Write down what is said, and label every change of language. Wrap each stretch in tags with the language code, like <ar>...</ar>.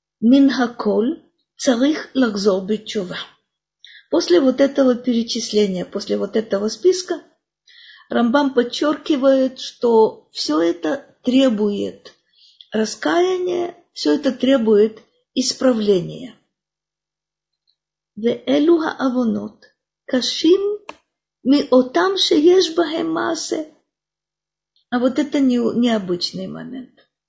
<he>Мин ха-коль царих лахзор бетшува.</he> <ru>После вот этого перечисления, после вот этого списка, Рамбам подчеркивает, что все это требует раскаяния, все это требует исправления.</ru> <he>ואלו האבונות קשים מאותם שיש בהם מעשה.</he> <ru>А вот это необычный момент.</ru>